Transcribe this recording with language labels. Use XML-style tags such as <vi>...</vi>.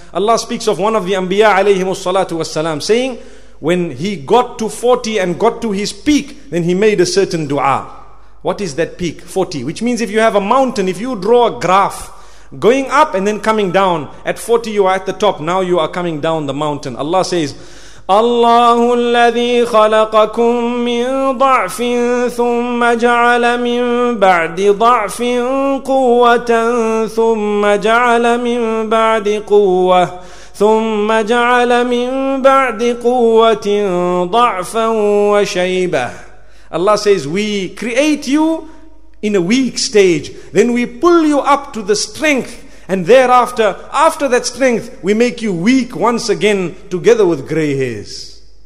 <en>Allah speaks of one of the Anbiya alayhim as-salatu was-salam, saying when he got to 40 and got to his peak, then he made a certain dua. What is that peak? 40. Which means if you have a mountain, if you draw a graph going up and then coming down, at 40 you are at the top, now you are coming down the mountain. Allah says,</en> <ar>اللَّهُ الَّذِي خَلَقَكُم مِّن ضَعْفٍ ثُمَّ جَعَلَ مِن بَعْدِ ضَعْفٍ قُوَّةً ثُمَّ جَعَلَ مِن بَعْدِ قُوَّةٍ ثُمَّ جَعَلَ مِن بَعْدِ قُوَّةٍ ضَعْفًا وَشَيْبَةً.</ar> <en>Allah says, we create you in a weak stage, then we pull you up to the strength, and thereafter, after that strength, we make you weak once again, together with gray hairs.</en>